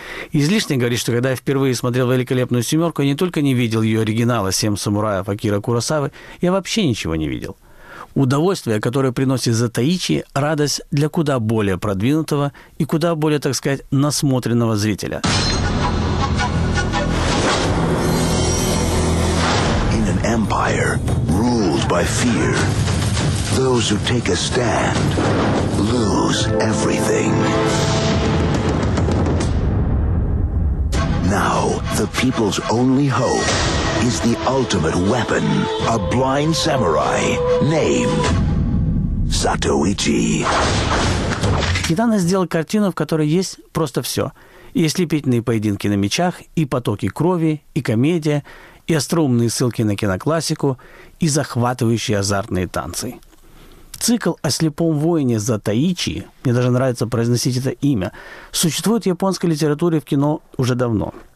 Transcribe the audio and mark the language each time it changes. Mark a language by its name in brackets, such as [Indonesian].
[Russian] Излишне говорить, что когда я впервые смотрел «Великолепную семерку», я не только не видел ее оригинала «Семь самураев» Акиры Куросавы, я вообще ничего не видел. Удовольствие, которое приносит Затаичи, радость для куда более продвинутого и куда более, так сказать, насмотренного зрителя. [English] In an empire ruled by fear, those who take a stand lose everything. Now, the people's only hope is the ultimate weapon, a blind samurai named Satoichi. [Russian] Китана сделал картину, в которой есть просто все. И ослепительные поединки на мечах, и потоки крови, и комедия, и остроумные ссылки на киноклассику, и захватывающие азартные танцы. Цикл о слепом воине Затаичи, мне даже нравится произносить это имя, существует в японской литературе в кино уже давно.